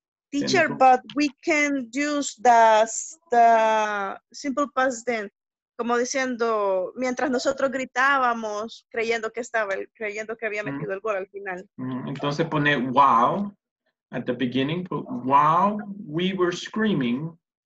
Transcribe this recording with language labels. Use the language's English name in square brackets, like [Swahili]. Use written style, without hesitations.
[English] Teacher, but we can use the simple past then. [Spanish] Como diciendo, mientras nosotros gritábamos, creyendo que había metido el gol al final. Entonces pone [English] wow at the beginning, but wow, we were screaming.